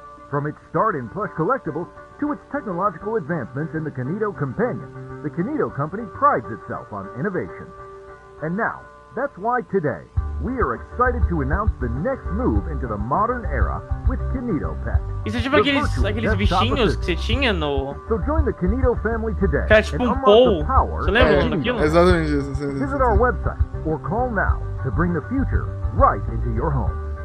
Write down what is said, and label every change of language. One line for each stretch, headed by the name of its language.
English: From its start in plush collectibles to its technological advancements in the Kinito Companion, the Kinito Company prides itself on innovation. And now, that's why today, we are excited to announce the next move into the modern era with KinitoPet.
Portuguese: Isso é tipo aqueles bichinhos que você tinha no...
English: So join the Kinito family today.
Portuguese: Que é tipo um bowl. Você lembra o nome daquilo? Exatamente isso.
English: Visit our website or call now to bring the future right into your home.